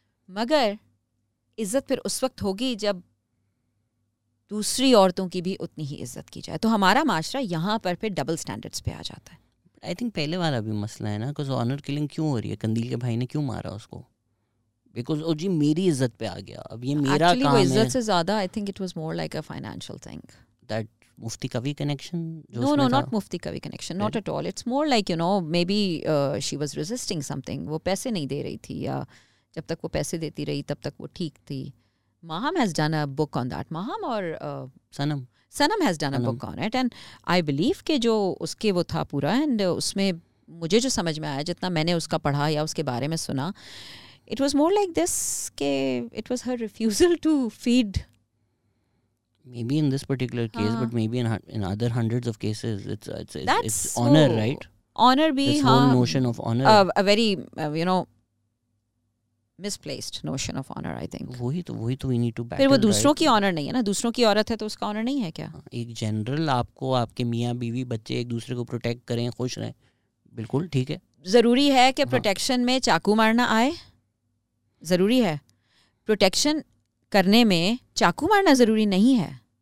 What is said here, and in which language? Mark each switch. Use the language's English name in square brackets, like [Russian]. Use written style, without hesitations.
[Hindi] मगर इज्जत फिर उस वक्त होगी जब दूसरी औरतों की भी उतनी ही इज्जत की जाए. तो हमारा माशरा यहाँ पर फिर डबल स्टैंडर्ड्स पे आ जाता है. [English] I think [Hindi] पहले वाला भी मसला है ना, बिकॉज ऑनर किलिंग क्यों हो रही है? कंदील के भाई ने क्यों मारा उसको? Because, oh, जी, मेरी इज्जत पे आ गया, अब ये मेरा काम है. [English] Actually, [Hindi] वो इज्जत से ज़्यादा, [English] I think it was more like a financial thing. That Mufti Kavi connection? No, not Mufti Kavi connection, not at all. It's more like, you know, maybe she was resisting something. [Hindi] वो पैसे नहीं दे रही थी, या जब तक वो पैसे देती रही तब तक वो ठीक थी. [English] Maham has done a book on that. Maham और Sanam. Sanam has done a book on it. And I believe [Hindi] के जो उसके वो था पूरा, [English] and [Hindi] उसमें मुझे जो समझ में आया जितना मैंने उसका पढ़ा या उसके बारे में सुना, [English] it was more like this, ke it was her refusal to feed. Maybe in this particular case, but maybe in other hundreds of cases, it's honor, so right? Honor be this whole notion of honor. A very, you know, misplaced notion of honor, I think. [Hindi] वही तो [English] we need to battle. [Hindi] फिर वो दूसरों की honor नहीं है ना, दूसरों की औरत है तो उसका honor नहीं है क्या? एक general आपको आपके मियाँ बीवी बच्चे एक दूसरे को protect करें, खुश रहें, बिल्कुल ठीक है. जरूरी है कि protection में चाकू मारना आए? ज़रूरी है. प्रोटेक्शन करने में चाकू मारना ज़रूरी नहीं है.